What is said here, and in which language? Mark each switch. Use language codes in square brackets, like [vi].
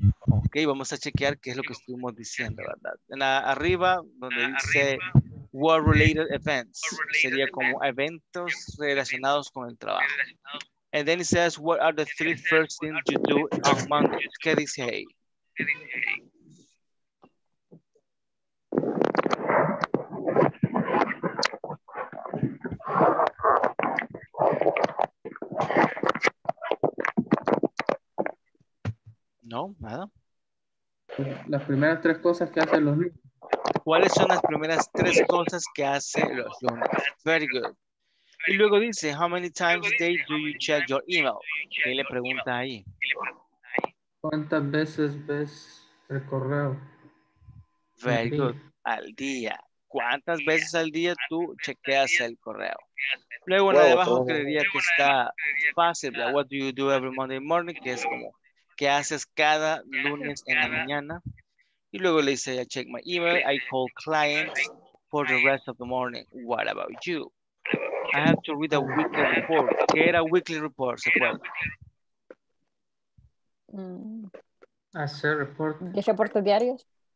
[es] Ok, vamos a chequear qué es lo que estuvimos diciendo, ¿verdad? Arriba, donde dice [en] world-related events, [es] sería como eventos relacionados con el trabajo. [en] And then it says, what are the three first things you do on Monday? [es] ¿Qué dice ahí? No, nada. Las primeras tres cosas que hacen los niños. ¿Cuáles son las primeras tres cosas que hacen los niños? [en] Very good. [es] Y luego dice, [en] how many times a day do you check your email? [es] Y le pregunta ahí. ¿Cuántas veces ves el correo? [en] Very good. [es] Al día. ¿Cuántas veces al día tú chequeas el correo? Luego la de abajo creería que está fácil. [en] Like, what do you do every Monday morning? [es] Que es como, ¿qué haces cada lunes en la mañana? Y luego le dice, [en] I check my email, I call clients for the rest of the morning. What about you? I have to read a weekly report. [es] ¿Qué era [en] weekly report? [es] ¿Se acuerda? ¿Qué reportes diarios?